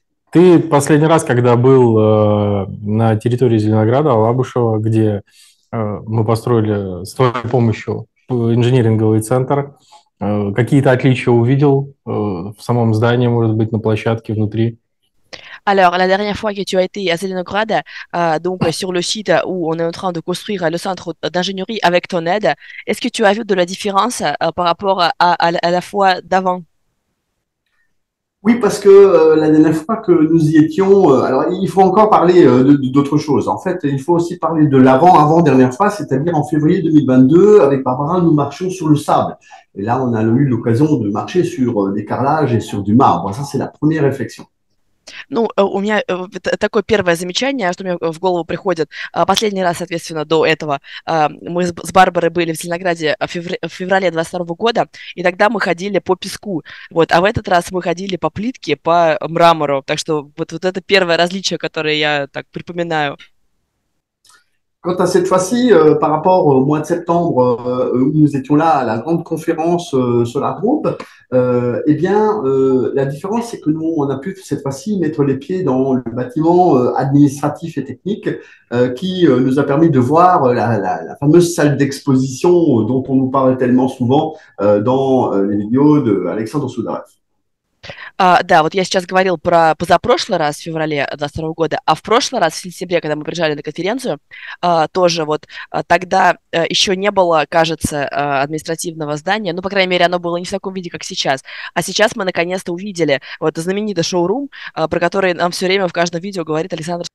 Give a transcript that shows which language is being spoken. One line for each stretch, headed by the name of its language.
Russian: Ты последний раз, когда был на территории Зеленограда, Алабушева, где мы построили с твоей помощью инжиниринговый центр, какие-то отличия увидел в самом здании, может быть, на площадке внутри?
French: Alors, la dernière fois que tu as été à Zelenograd, sur le site où on est en train de construire le centre d'ingénierie avec ton aide, est-ce que tu as vu de la différence par rapport à la fois d'avant? Oui, parce que la dernière fois que nous y étions, alors il faut encore parler d'autres choses. En fait, il faut aussi parler de l'avant-avant-dernière fois, c'est-à-dire en février 2022, avec Barbara, nous marchions sur le sable. Et là, on a eu l'occasion de marcher sur des carrelages et sur du marbre. Ça, c'est la première réflexion.
Russian: Ну, у меня такое первое замечание, что мне в голову приходит. Последний раз, соответственно, до этого мы с Барбарой были в Зеленограде в феврале 22 года, и тогда мы ходили по песку, вот. А в этот раз мы ходили по плитке, по мрамору. Так что вот это первое различие, которое я так припоминаю.
French: Quant à cette fois-ci, par rapport au mois de septembre, où nous étions là à la grande conférence sur la groupe, eh bien, la différence, c'est que nous, on a pu cette fois-ci mettre les pieds dans le bâtiment administratif et technique qui nous a permis de voir la fameuse salle d'exposition dont on nous parle tellement souvent dans les vidéos d'Alexandre Soudarev.
Russian: Да, вот я сейчас говорил про позапрошлый раз, в феврале 2022 года, а в прошлый раз, в сентябре, когда мы приезжали на конференцию, тоже вот тогда еще не было, кажется, административного здания, ну, по крайней мере, оно было не в таком виде, как сейчас. А сейчас мы наконец-то увидели вот знаменитый шоурум, про который нам все время в каждом видео говорит Александр.